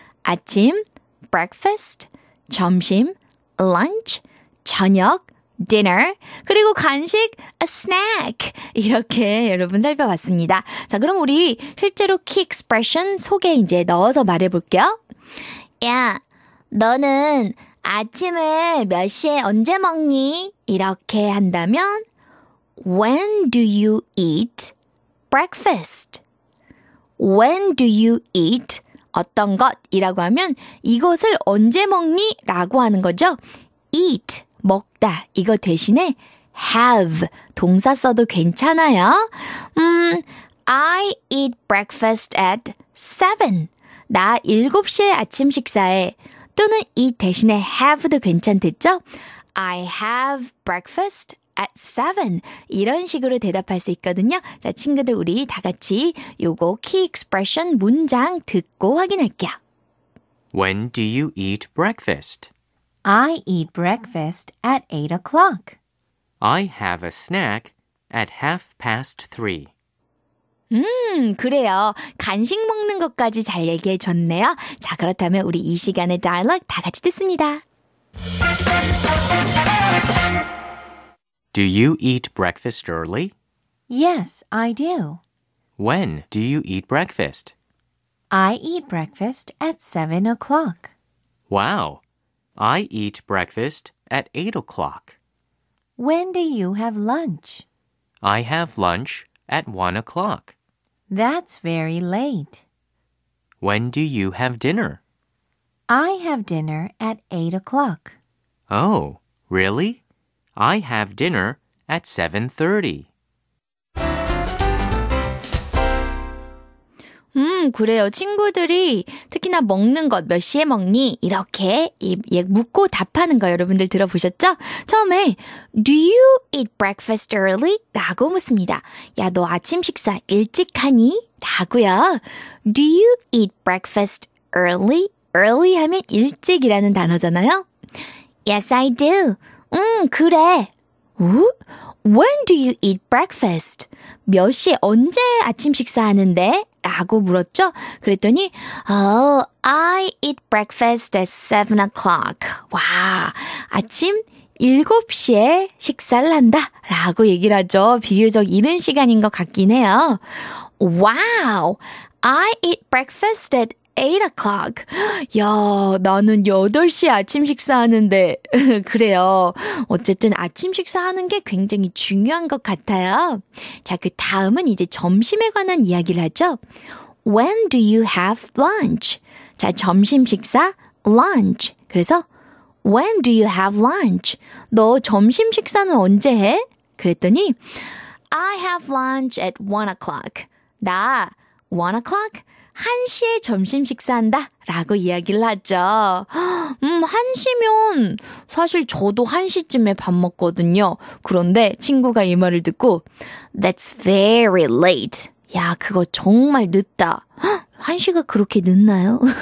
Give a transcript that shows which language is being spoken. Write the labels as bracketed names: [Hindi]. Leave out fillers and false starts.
[Korean] 아침, breakfast, 점심, lunch, 저녁, dinner, 그리고 간식, a snack. 이렇게 여러분 살펴봤습니다. 자, 그럼 우리 실제로 key expression 속에 이제 넣어서 말해볼게요. 야, 너는 아침에 몇 시에 언제 먹니? 이렇게 한다면, [English] when do you eat breakfast? When do you eat [Korean] 어떤 것이라고 하면 이것을 언제 먹니? 라고 하는 거죠. eat, 먹다 이거 대신에 have, 동사 써도 괜찮아요. [English] I eat breakfast at 7. [Korean] 나 7시에 아침 식사해. 또는 eat 대신에 have도 괜찮겠죠? [English] I have breakfast at 7. [Korean] 이런 식으로 대답할 수 있거든요. 자, 친구들 우리 다 같이 요거 key expression 문장 듣고 확인할게요. [English] When do you eat breakfast? I eat breakfast at 8 o'clock. I have a snack at 3:30. [Korean] 그래요. 간식 먹는 것까지 잘 얘기해 줬네요. 자, 그렇다면 우리 이 시간의 dialogue 다 같이 듣습니다. [English] Do you eat breakfast early? Yes, I do. When do you eat breakfast? I eat breakfast at 7 o'clock. Wow! I eat breakfast at 8 o'clock. When do you have lunch? I have lunch at 1 o'clock. That's very late. When do you have dinner? I have dinner at 8 o'clock. Oh, really? I have dinner at 7:30. [Korean] 그래요. 친구들이 특히나 먹는 것 몇 시에 먹니? 이렇게 묻고 답하는 거 여러분들 들어보셨죠? [English] 처음에 Do you eat breakfast early? [Korean] 라고 묻습니다. 야, 너 아침 식사 일찍 하니? 라고요. [English] Do you eat breakfast early? [Korean] Early 하면 일찍이라는 단어잖아요. [English] Yes, I do. [Korean] 그래. 오? [English] When do you eat breakfast? [Korean] 몇 시에 언제 아침 식사하는데? 라고 물었죠. 그랬더니 [English] I eat breakfast at 7 o'clock. [Korean] 와, 아침 7시에 식사를 한다 라고 얘기를 하죠. 비교적 이른 시간인 것 같긴 해요. [English] Wow, I eat breakfast at 8 o'clock. [Korean] 야, 나는 8시에 아침 식사하는데. 그래요. 어쨌든 아침 식사하는 게 굉장히 중요한 것 같아요. 자, 그 다음은 이제 점심에 관한 이야기를 하죠. [English] When do you have lunch? [Korean] 자, 점심 식사, lunch. 그래서 [English] When do you have lunch? [Korean] 너 점심 식사는 언제 해? 그랬더니 [English] I have lunch at 1 o'clock. [Korean] 나 1 o'clock? 1시에 점심 식사한다 라고 이야기를 하죠. 1시면 사실 저도 1시쯤에 밥 먹거든요. 그런데 친구가 이 말을 듣고 [English] That's very late. [Korean] 야, 그거 정말 늦다. 1시가 그렇게 늦나요?